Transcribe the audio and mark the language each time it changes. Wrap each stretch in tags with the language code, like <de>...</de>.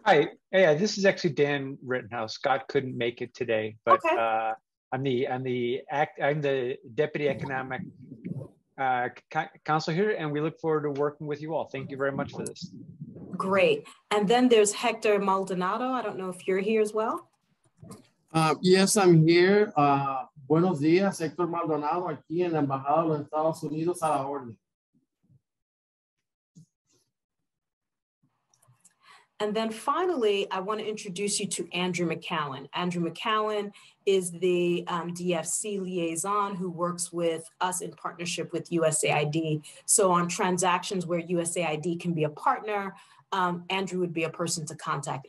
<en>Hi. Yeah, this is actually Dan Rittenhouse. Scott couldn't make it today, but okay. I'm the deputy economic counselor here, and we look forward to working with you all. Thank you very much for this. Great. And then there's Hector Maldonado. I don't know if you're here as well. Yes, I'm here.</en> <es>Buenos días, Hector Maldonado, aquí en la Embajada de los Estados Unidos a la orden.</es> <en>And then finally, I want to introduce you to Andrew McCallan. Andrew McCallan is the DFC liaison who works with us in partnership with USAID. So on transactions where USAID can be a partner, Andrew would be a person to contact.</en>